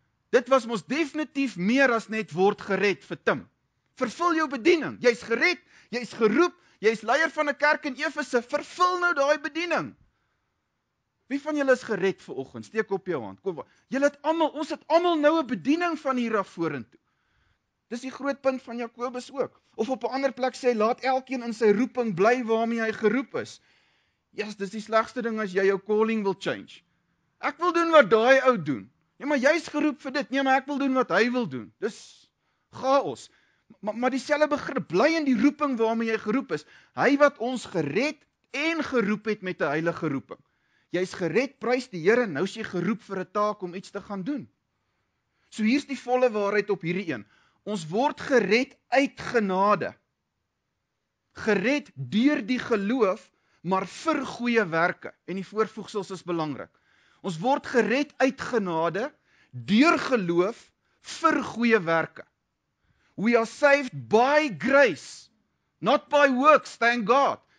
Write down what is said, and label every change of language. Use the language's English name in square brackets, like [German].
[Afrikaans] Dit was ons definitief meer as net word gered vir Tim. Vervul jou bediening. Jy is gered, jy is geroep, jy is leier van 'n kerk in Efese, vervul nou die bediening. Wie van julle is gered vir oggend? Steek op jou hand. Kom, julle het allemaal, ons het allemaal nou een bediening van hier af voor en toe. Dis die groot punt van Jakobus ook. Of op 'n ander plek sê, laat elkeen in sy roeping bly waarmee hy geroep is. Yes, dis die slegste ding as jy jou calling wil change. Ek wil doen wat die ou doen. Nee, maar jy is geroep vir dit. Nee, maar ek wil doen wat hy wil doen. Dis chaos. Maar dieselfde begrip, bly in die roeping waarmee jy geroep is. Hy wat ons gered en geroep het met die heilige roeping. Jy is gered, prys die Here, nou is jy geroep vir 'n taak om iets te gaan doen. So hier is die volle waarheid op hierdie een. Ons word gered uit genade. Gered deur die geloof, maar vir goeie werke. En die voorvoegsels is belangrik. Ons word gered uit genade, deur geloof, vir goeie werke. [English] We are saved by grace, not by works, thank God.